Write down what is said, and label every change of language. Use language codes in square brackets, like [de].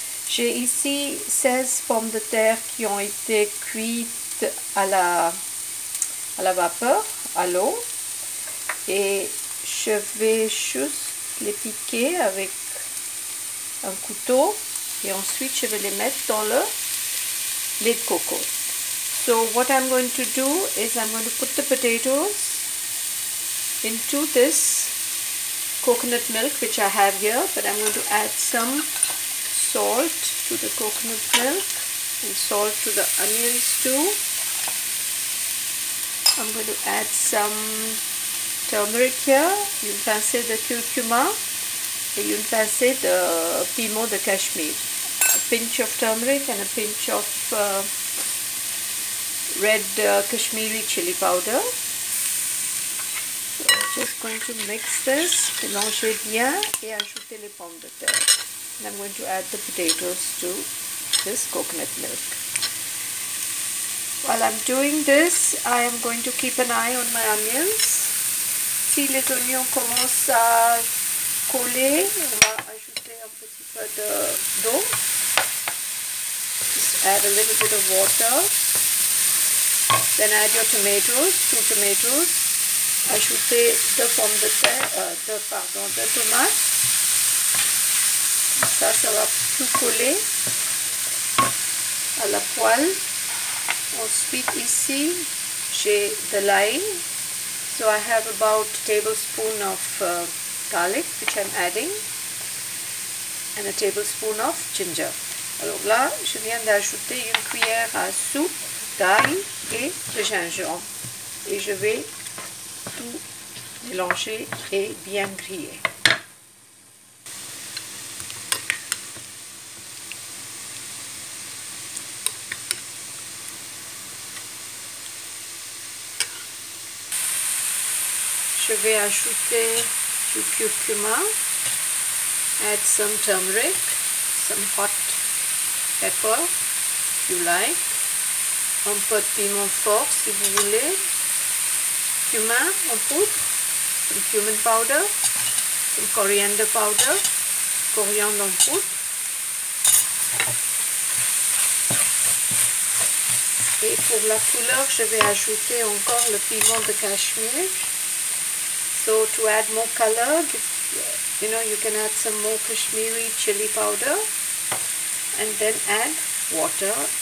[fr] J'ai ici 16 pommes de terre qui ont été cuites à la vapeur, à l'eau. Et je vais juste les piquer avec un couteau. Et ensuite, je vais les mettre dans le lait de coco. [en] So what I'm going to do is I'm going to put the potatoes into this coconut milk, which I have here. But I'm going to add some salt to the coconut milk and salt to the onions too. I'm going to add some turmeric here, [fr] une pincée de curcuma et une pincée de piment de cachemire. [en] A pinch of turmeric and a pinch of red Kashmiri chili powder. So I'm just going to mix this, [fr] mélanger bien et ajouter les pommes de terre. [en] And I'm going to add the potatoes to this coconut milk. While I'm doing this, I am going to keep an eye on my onions. [fr] Si les oignons commencent à coller, on va ajouter un petit peu d'eau. [en] Just add a little bit of water. Then add your tomatoes, two tomatoes. [fr] Ajoutez deux pommes de terre, deux tomates. Ça, ça va tout coller à la poêle. Ensuite, ici, j'ai de l'ail. [en] So I have about a tablespoon of garlic, which I'm adding, and a tablespoon of ginger. [fr] Alors là, je viens d'ajouter une cuillère à soupe d'ail et de gingembre. Et je vais tout mélanger et bien griller. Je vais ajouter du curcuma, [en] add some turmeric, some hot pepper if you like, [fr] un peu de piment fort si vous voulez, cumin en poudre, [en] some cumin powder, some coriander powder, [fr] coriandre en poudre, et pour la couleur je vais ajouter encore le piment de cachemire. [en] So to add more color, you know, you can add some more Kashmiri chili powder and then add water.